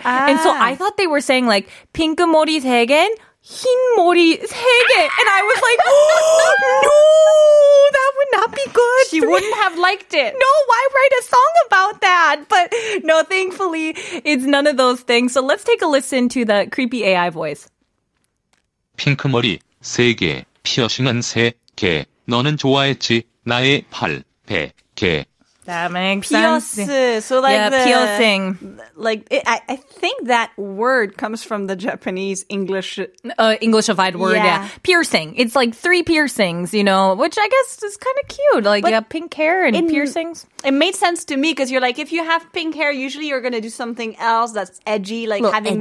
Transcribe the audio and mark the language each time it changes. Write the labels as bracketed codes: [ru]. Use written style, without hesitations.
[en] Ah. And so I thought they were saying, like, [ko] 핑크 머리 세 개, [en] 흰 머리 세 개. And I was like, no! That would not be good. She wouldn't have liked it. No, why write a song about that? But no, thankfully, it's none of those things. So let's take a listen to the creepy AI voice. [ko] 핑크 머리 세 개, 피어싱은 세 개, 너는 좋아했지, 나의 팔, 배, 개. [en] That makes sense. So like yeah, the, piercing. Like, I think that word comes from the Japanese English... Englishified word, yeah. Piercing. It's like three piercings, you know, which I guess is kind of cute. Like, but you have pink hair and piercings. It made sense to me because you're like, if you have pink hair, usually you're going to do something else that's edgy, like having